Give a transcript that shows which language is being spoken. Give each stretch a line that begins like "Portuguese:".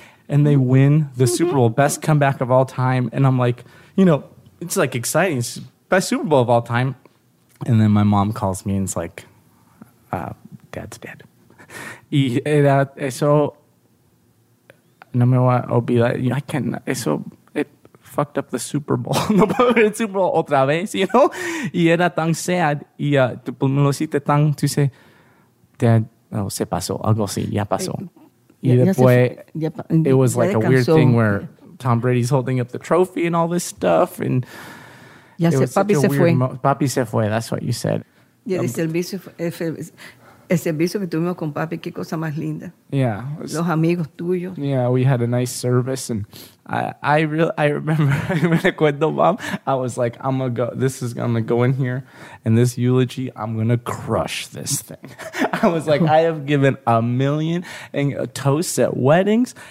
English: And they win the Super Bowl, best comeback of all time. And I'm like, you know, it's like exciting. It's best Super Bowl of all time. And then my mom calls me and is like, Dad's dead.
Spanish: Y eso, no me voy a olvidar.
English: I can't, eso, it fucked up the Super Bowl.
Spanish: No puedo ver el Super Bowl otra vez,
English: you know?
Spanish: Y era tan sad. Y tú me lo hiciste tan, tú dices, Dad, oh, se pasó, algo así, ya pasó.
English: It was like a weird thing where Tom Brady's holding up the trophy and all this stuff. And
Spanish: Papi se fue. Papi se fue,
English: that's what you said.
Spanish: Yeah, el servicio El servicio que tuvimos con papi, qué cosa más linda.
English: Yeah.
Spanish: Los amigos tuyos.
English: Yeah, we had a nice service. And I remember,
Spanish: me recuerdo,
English: mom, I was like, I'm going to go, this is going to go in here. And this eulogy, I'm going to crush this thing. I was like, I have given a million toasts at weddings.